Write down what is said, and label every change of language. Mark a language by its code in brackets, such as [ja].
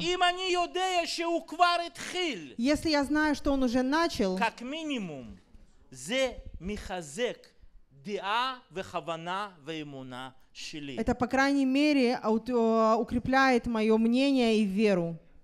[ru] Если я знаю, что он уже начал, как минимум, [he] זה מחזק דעה וכוונה ואמונה. [ru] Это, по крайней мере, укрепляет мое мнение и веру.